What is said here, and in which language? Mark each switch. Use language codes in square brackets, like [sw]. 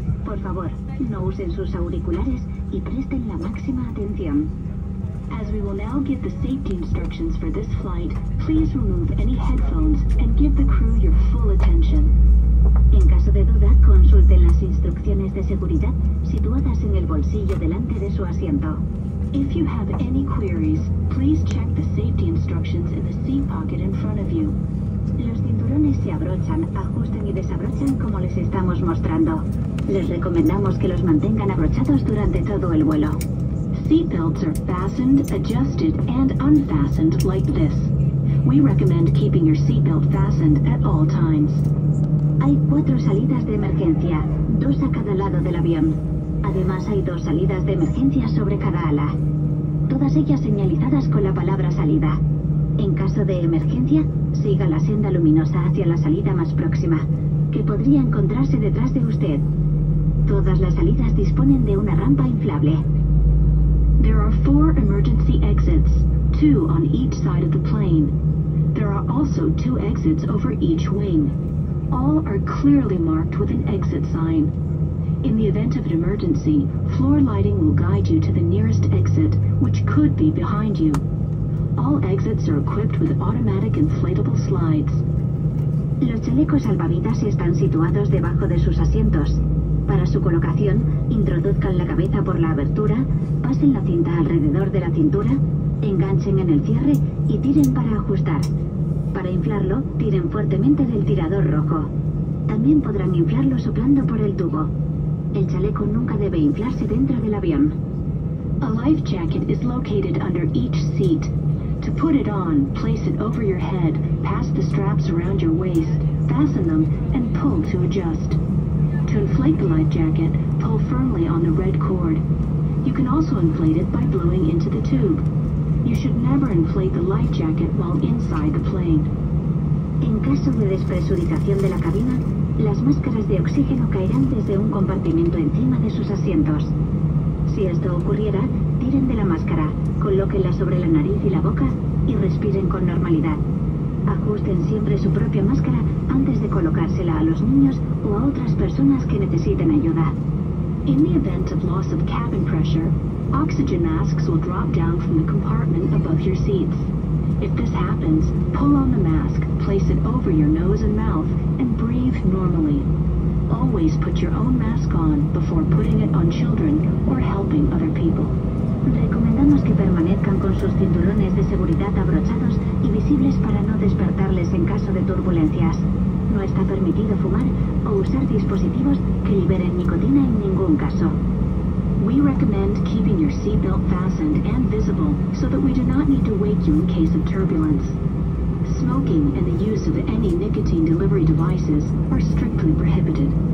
[es] Por favor, no usen sus auriculares y presten la máxima atención. [en] As we will now give the safety instructions for this flight, please remove any headphones and give the crew your full attention. [es] En caso de duda, consulten las instrucciones de seguridad situadas en el bolsillo delante de su asiento. [en] If you have any queries, please check the safety instructions in the seat pocket in front of you. [es] Los cinturones se abrochan, ajusten y desabrochan como les estamos mostrando. Les recomendamos que los mantengan abrochados durante todo el vuelo. [en] Seatbelts are fastened, adjusted, and unfastened like this. We recommend keeping your seatbelt fastened at all times. [es] Hay cuatro salidas de emergencia, dos a cada lado del avión. Además, hay dos salidas de emergencia sobre cada ala. Todas ellas señalizadas con la palabra salida. En caso de emergencia, siga la senda luminosa hacia la salida más próxima, que podría encontrarse detrás de usted. Todas las salidas disponen de una rampa inflable. [en] There are four emergency exits, two on each side of the plane. There are also two exits over each wing. All are clearly marked with an exit sign. In the event of an emergency, floor lighting will guide you to the nearest exit, which could be behind you. All exits are equipped with automatic inflatable slides. [es] Los chalecos salvavidas están situados debajo de sus asientos. Para su colocación, introduzcan la cabeza por la abertura, pasen la cinta alrededor de la cintura, enganchen en el cierre y tiren para ajustar. Para inflarlo, tiren fuertemente del tirador rojo. También podrán inflarlo soplando por el tubo. El chaleco nunca debe inflarse dentro del avión. [en] A life jacket is located under each seat. To put it on, place it over your head, pass the straps around your waist, fasten them, and pull to adjust. To inflate the life jacket, pull firmly on the red cord. You can also inflate it by blowing into the tube. You should never inflate the life jacket while inside the plane. [es] En caso de despresurización de la cabina, las máscaras de oxígeno caerán desde un compartimento encima de sus asientos. Si esto ocurriera, tiren de la máscara, colóquenla sobre la nariz y la boca y respiren con normalidad. Ajusten siempre su propia máscara antes de colocársela a los niños o a otras personas que necesiten ayuda. [en] In the event of loss of cabin pressure, oxygen masks will drop down from the compartment above your seats. If this happens, pull on the mask, place it over your nose and mouth, and breathe normally. Always put your own mask on before putting it on children or helping other people. [es] Recomendamos que permanezcan con sus cinturones de seguridad abrochados y visibles para no despertarles en caso de turbulencias. No está permitido fumar o usar dispositivos que liberen nicotina en ningún caso. [en] We recommend keeping your seatbelt fastened and visible so that we do not need to wake you in case of turbulence. Smoking and the use of any nicotine delivery devices are strictly prohibited.